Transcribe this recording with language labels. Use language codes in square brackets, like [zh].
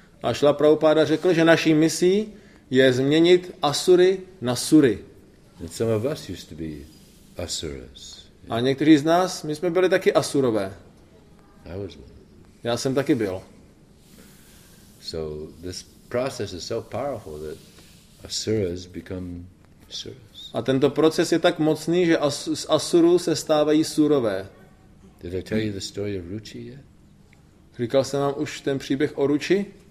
[cs] A Šla Prabhupada řekl, že naší misí je změnit asury na sury. [en] And some of us used to be asuras. [cs] A někteří z nás, my jsme byli taky asurové. [en] I was one. [cs] Já jsem taky byl. [en] So this process is so powerful that asuras become suras. [cs] A tento proces je tak mocný, že z asurů se stávají surové. [en] Did I tell you the story of Ruchi yet? [cs] Říkal jsem vám už ten příběh o Ruchi?